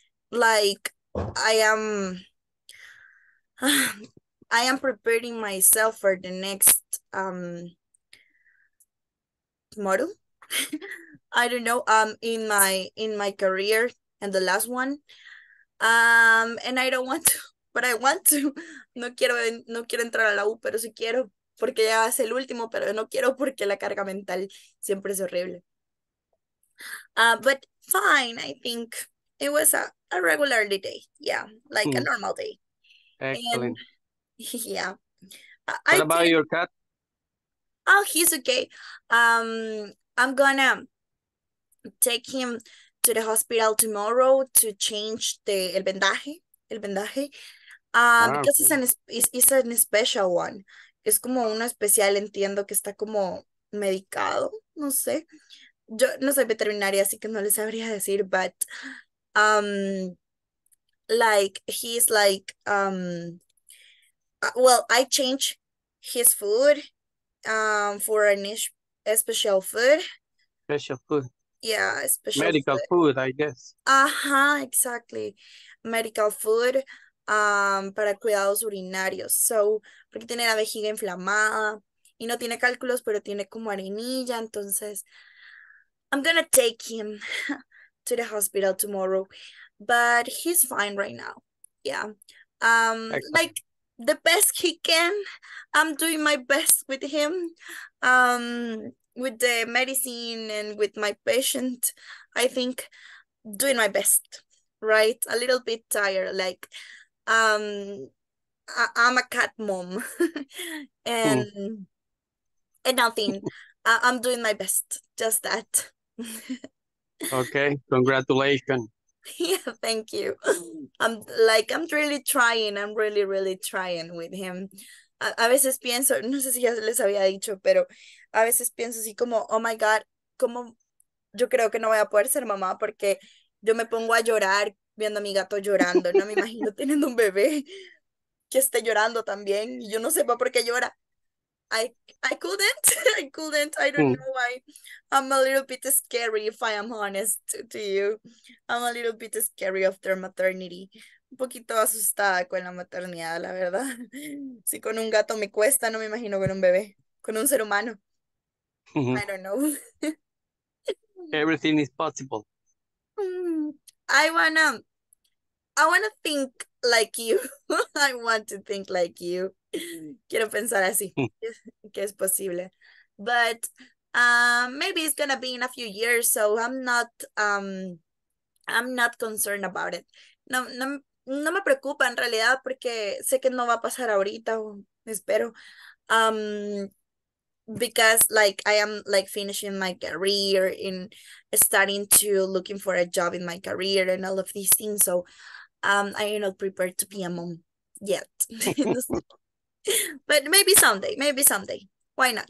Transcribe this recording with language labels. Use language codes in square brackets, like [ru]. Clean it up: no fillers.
[en] Like I am preparing myself for the next model. I don't know, in my career and the last one. And I don't want to, but I want to. [es] No quiero entrar a la U, pero sí quiero, porque ya es el último, pero no quiero porque la carga mental siempre es horrible. [en] But fine, I think it was a regular day. Yeah, like a normal day. And Excellent. yeah. What I about did. your cat? Oh, he's okay. I'm gonna take him to the hospital tomorrow to change the [es] el vendaje, [en] Wow. because it's a special one. [es] Es como uno especial, entiendo que está como medicado, no sé. Yo no soy veterinaria, así que no les sabría decir, [en] but like he's like well, I change his food for a special food. Special food, Yeah, special food. medical food, I guess. Exactly. Medical food, [es] para cuidados urinarios. So, porque tiene la vejiga inflamada y no tiene cálculos, pero tiene como arenilla. [en] Entonces, I'm gonna take him to the hospital tomorrow. But he's fine right now. Yeah. Excellent. Like the best he can. I'm doing my best with him. With the medicine and with my patient, I think doing my best, right? A little bit tired, like I'm a cat mom and nothing. I'm doing my best, just that. Okay, congratulations. Yeah, thank you. I'm really trying. I'm really, really trying with him. [es] A veces pienso, no sé si ya les había dicho, pero a veces pienso así como, [en] oh my God, [es] como yo creo que no voy a poder ser mamá porque yo me pongo a llorar viendo a mi gato llorando. No me imagino teniendo un bebé que esté llorando también y yo no sepa por qué llora. [en] I don't know why. I'm a little bit scary, if I am honest to you. I'm a little bit scary after maternity. [es] Un poquito asustada con la maternidad, la verdad. Si con un gato me cuesta, no me imagino con un bebé, con un ser humano. [en] I don't Everything is possible. know. I wanna think like you. I want to think like you. [es] Quiero pensar así, que es posible. [en] But maybe it's gonna be in a few years, so I'm not concerned about it. [es] No me preocupa en realidad porque sé que no va a pasar ahorita, o espero. [en] Because like I am like finishing my career and starting to looking for a job in my career and all of these things. So I am not prepared to be a mom yet. But maybe someday, why not?